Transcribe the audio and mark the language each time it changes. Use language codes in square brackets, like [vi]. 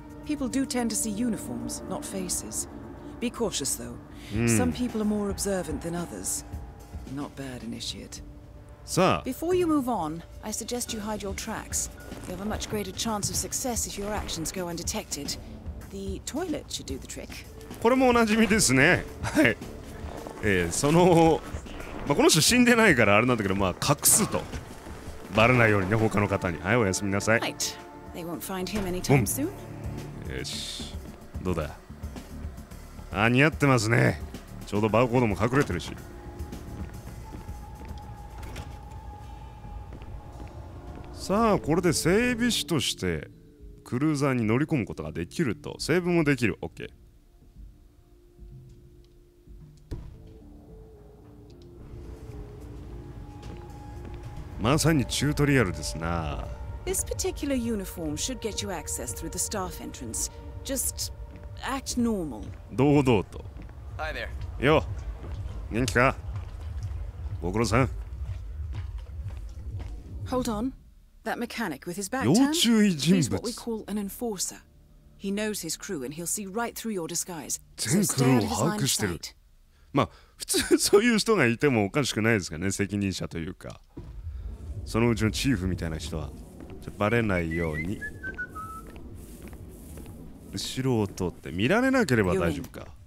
[en] People do tend to see uniforms, not faces. Be cautious though. Some people are more observant than others. Not bad, initiate. [ja] さあ。 [en] Before you move on, I suggest you hide your tracks. You have a much greater chance of success if your actions go undetected. The toilet should do the trick. [ja] これもおなじみですね。はい。その、まあ、この人死んでないからあれなんだけど、まあ隠すと。バレないようにね、他の方に。はい、おやすみなさい。 [en] Right. They won't find him anytime soon. [ja] よし、どうだ。あ、似合ってますね。ちょうどバーコードも隠れてるし。さあ、これで整備士としてクルーザーに乗り込むことができると。セーブもできる。OK。まさにチュートリアルですな。 [en] This particular uniform should get you access through the staff entrance. Just act normal. [ja] 堂々と。 [en] Hi there. [ja] よ、元気か？ご苦労さん。 [en] Hold on. That mechanic with his back turned is what we call an enforcer. He knows his crew and he'll see right through your disguise. [ja] 全クルーを把握してる。まあ、普通そういう人がいてもおかしくないですかね、責任者というか。そのうちのチーフみたいな人は。バレないように後ろを通って見られなければ大丈夫か。